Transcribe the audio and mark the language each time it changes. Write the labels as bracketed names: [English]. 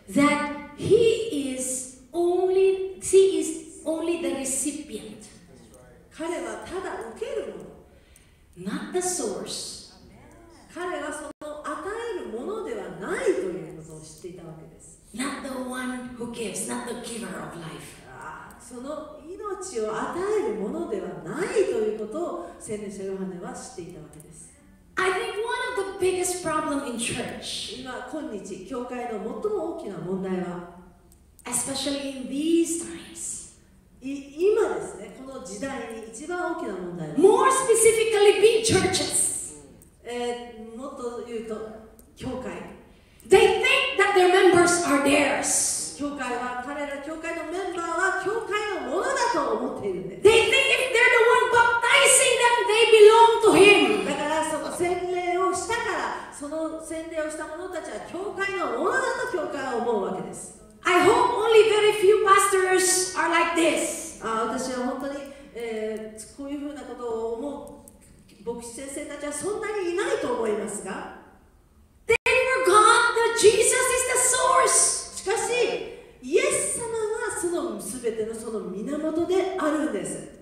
[English] That he is only the recipient. [Japanese] 彼はただ受けるもの。 [English] Not the source. [Japanese] 彼がその与えるものではないということを知っていたわけです。 [English] Not the one who gives, not the giver of life. [Japanese] その命を与えるものではないということを洗礼者ヨハネは知っていたわけです。 [English] I think one of the biggest problem in church. [Japanese] 今日、教会の最も大きな問題は、 [English] especially in these times. [Japanese] 今ですね、この時代に一番大きな問題は [English] More specifically, big churches、 [Japanese] もっと言うと、教会 [English] They think that their members are theirs [Japanese] 教会は、彼ら教会のメンバーは教会のものだと思っているんです [English] They think if they're the one baptizing them, they belong to him [Japanese] だからその洗礼をしたからその洗礼をした者たちは教会のものだと教会は思うわけです [English] I hope only very few pastors are like this. [Japanese] 私は本当に、こういうふうなことを思う牧師先生たちはそんなにいないと思いますが。 [English] They forgot that Jesus is the source. [Japanese] しかし、イエス様はその全てのその源であるんです。